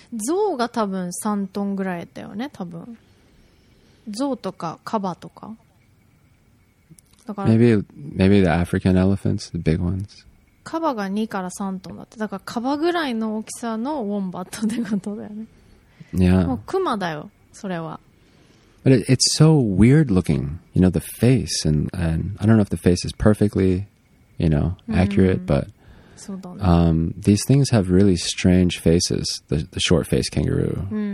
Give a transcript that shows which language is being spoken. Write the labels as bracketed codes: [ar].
[ja] ゾウが多分3トンぐらいだよね、多分。ゾウとかカバとか。だから [en] maybe the African elephants, the big ones. [ja] カバが2から3トンだって。だからカバぐらいの大きさのウォンバットってことだよね。 [en] Yeah. [ja] もうクマだよ、それは。 [en] But it's so weird looking, you know, the face, and I don't know if the face is perfectly, you know, accurate, but these things have really strange faces, the short-faced kangaroo.